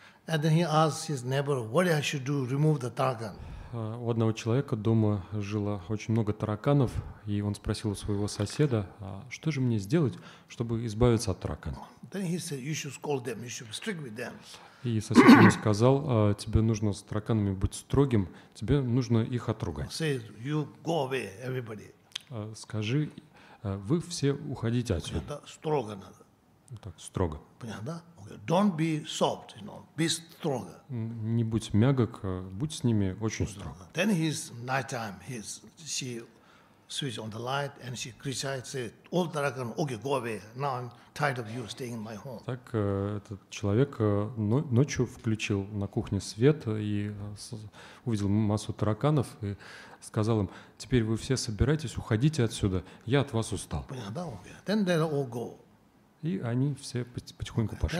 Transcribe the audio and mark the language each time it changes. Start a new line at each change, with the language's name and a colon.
English: And then he asks his neighbor, what I should do, remove the tarakan.
Russian: У одного человека дома жило очень много тараканов, и он спросил у своего соседа, что же мне сделать, чтобы избавиться от таракана?
English: Then he said, you should scold them, you should be strict with them.
Russian: И сосед ему сказал, тебе нужно с тараканами быть строгим, тебе нужно их отругать.
English: Say, you go away, everybody.
Russian: Скажи, вы все уходите отсюда. Это строго надо. Так, строго. Понятно, да?
English: Okay. Don't be soft, you know, be strong.
Russian: Не будь мягок, будь с ними очень строго.
English: Then he's night time, he's, she switch on the light and she criticizes it. All tarakan, okay, go away. Now I'm tired of you staying in my home.
Russian: Так этот человек ночью включил на кухне свет и увидел массу тараканов и сказал им, теперь вы все собирайтесь, уходите отсюда, я от вас устал. Понятно, да?
English: Okay. Then they all go.
Russian: И они все потихоньку пошли.